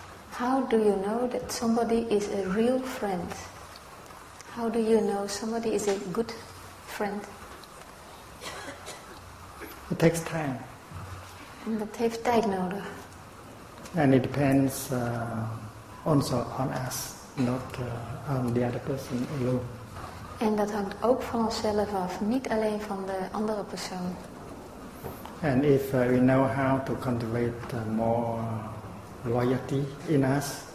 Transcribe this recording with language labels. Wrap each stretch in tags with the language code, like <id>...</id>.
<en>How do you know that somebody is a real friend? How do you know somebody is a good friend? It takes time.</en> <nl>En dat heeft tijd nodig.</nl> <en>And it depends also on us, not on the other person alone.</en> <nl>En dat hangt ook van onszelf af, niet alleen van de andere persoon.</nl> <en>And if we know how to cultivate more loyalty in us,</en>